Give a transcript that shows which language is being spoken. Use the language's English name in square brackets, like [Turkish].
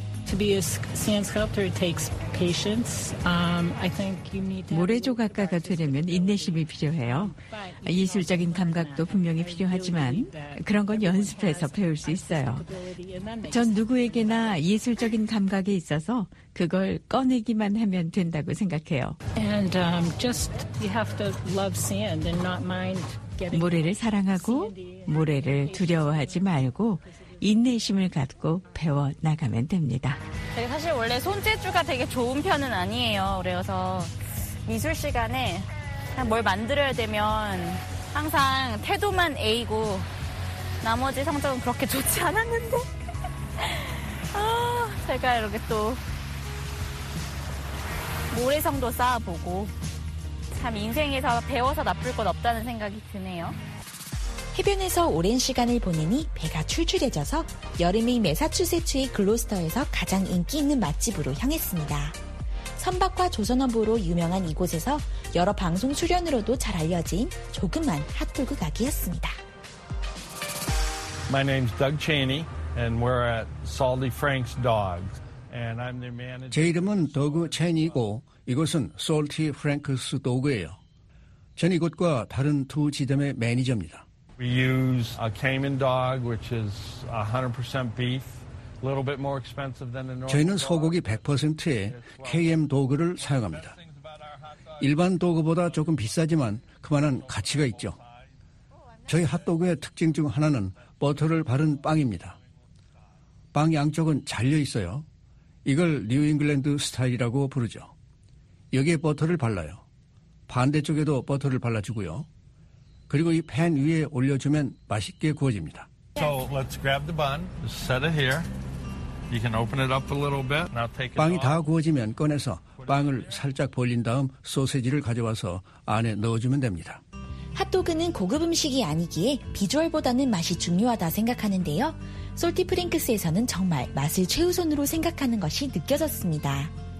[English] To be a sand sculptor takes patience. I think you need to [Korean] 모래 조각가가 되려면 인내심이 필요해요. 예술적인 감각도 분명히 필요하지만 그런 건 연습해서 배울 수 있어요. 전 누구에게나 예술적인 감각에 있어서 그걸 꺼내기만 하면 된다고 생각해요. [English] And just you have to love sand and not mind getting [Korean] 모래를 사랑하고 모래를 두려워하지 말고 인내심을 갖고 배워 나가면 됩니다. 제가 사실 원래 손재주가 되게 좋은 편은 아니에요. 그래서 미술 시간에 그냥 뭘 만들어야 되면 항상 태도만 A고 나머지 성적은 그렇게 좋지 않았는데 제가 이렇게 또 모래성도 쌓아보고 참 인생에서 배워서 나쁠 건 없다는 생각이 드네요. 해변에서 오랜 시간을 보내니 배가 출출해져서 여름이 매사추세츠의 글로스터에서 가장 인기 있는 맛집으로 향했습니다. 선박과 조선어부로 유명한 이곳에서 여러 방송 출연으로도 잘 알려진 조그만 핫도그 가게였습니다. [English] My name's Doug Cheney and we're at Salty Frank's Dogs and I'm their manager. [Korean] 제 이름은 더그 체니고 이곳은 Salty Frank's Dog예요. 전 이곳과 다른 두 지점의 매니저입니다. [English] We use a Cayman dog, which is 100% beef, a little bit more expensive than a normal. [Korean] 저희는 소고기 100%의 KM 도그를 사용합니다. 일반 도그보다 조금 비싸지만 그만한 가치가 있죠. 저희 핫도그의 특징 중 하나는 버터를 바른 빵입니다. 빵 양쪽은 잘려 있어요. 이걸 뉴잉글랜드 스타일이라고 부르죠. 여기에 버터를 발라요. 반대쪽에도 버터를 발라주고요. 그리고 이 팬 위에 올려주면 맛있게 구워집니다. [English] So let's grab the bun, set it here. You can open it up a little bit. Now take it. [Korean] 빵이 다 구워지면 꺼내서 빵을 살짝 벌린 다음 소세지를 가져와서 안에 넣어주면 됩니다. 핫도그는 고급 음식이 아니기에 비주얼보다는 맛이 중요하다 생각하는데요. 솔티 프랭크스에서는 정말 맛을 최우선으로 생각하는 것이 느껴졌습니다.